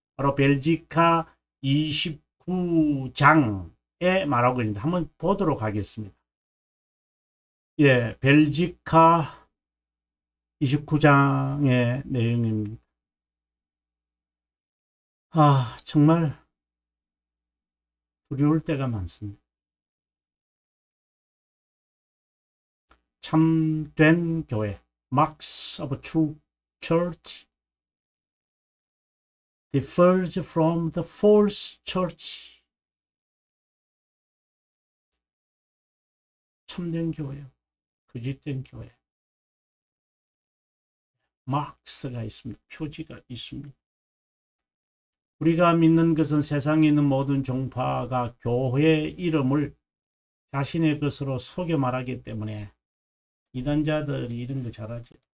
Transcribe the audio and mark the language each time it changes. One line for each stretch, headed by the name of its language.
Korean: 바로 벨지카 29장에 말하고 있는데 한번 보도록 하겠습니다. 예, 벨지카 29장의 내용입니다. 아, 정말 두려울 때가 많습니다. 참된 교회,
English: Marks of True Church, differs from the false church.
Korean: 참된 교회, 거짓된 교회, Marks가 있습니다. 표지가 있습니다. 우리가 믿는 것은 세상에 있는 모든 종파가 교회 이름을 자신의 것으로 속여 말하기 때문에 이단자들이 이런 거 잘하지.